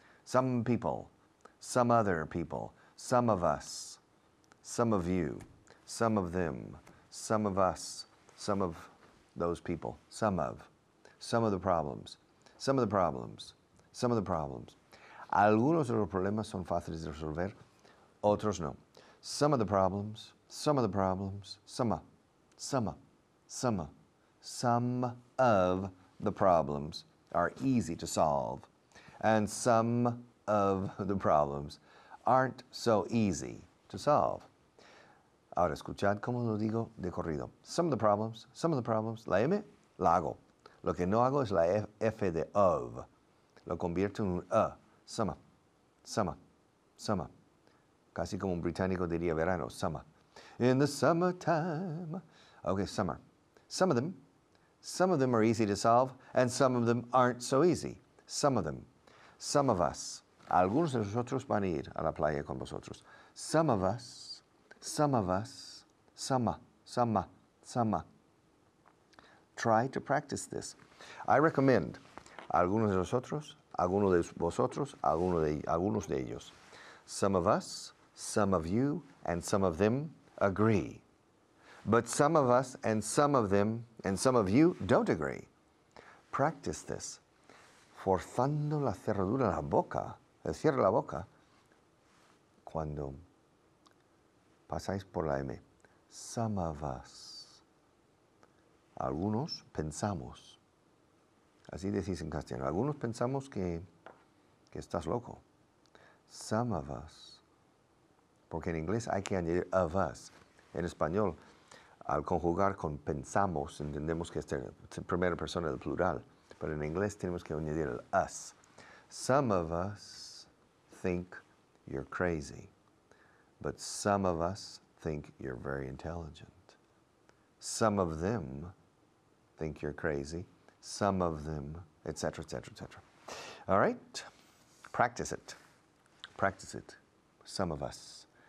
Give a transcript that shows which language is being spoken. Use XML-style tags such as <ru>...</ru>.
<en>Some people, some other people, some of us, some of you, some of them, some of us, some of those people, some of the problems, some of the problems, some of the problems.</en> <es>Algunos de los problemas son fáciles de resolver, otros no.</es> <en>Some of the problems, some of the problems, some of the problems are easy to solve. And some of the problems aren't so easy to solve.</en> <es>Ahora escuchad cómo lo digo de corrido.</es> <en>Some of the problems, some of the problems.</en> <es>La M, la hago. Lo que no hago es la F de of. Lo convierto en un a.</es> <en>Summer, summer, summer.</en> <es>Casi como un británico diría verano, summer.</es> <en>In the summertime.</en> <es>Okay, summer.</es> <en>Some of them are easy to solve, and some of them aren't so easy. Some of them. Some of us.</en> <es>Algunos de nosotros van a ir a la playa con vosotros.</es> <en>Some of us. Some of us. Some. Try to practice this. I recommend.</en> <es>Algunos de nosotros. Algunos de vosotros. Algunos de ellos.</es> <en>Some of us. Some of you. And some of them agree. But some of us and some of them and some of you don't agree. Practice this.</en> <es>Forzando la cerradura de la boca, el cierre de la boca, cuando pasáis por la M.</es> <en>Some of us.</en> <es>Algunos pensamos. Así decís en castellano. Algunos pensamos que estás loco.</es> <en>Some of us.</en> <es>Porque en inglés hay que añadir of us. En español, al conjugar con pensamos, entendemos que este es la primera persona del plural.</es> <en>But in English,</en> <es>tenemos que añadir el us.</es> <en>Some of us think you're crazy, but some of us think you're very intelligent. Some of them think you're crazy, some of them, etc., etc., etc. All right? Practice it. Practice it. Some of us.</en>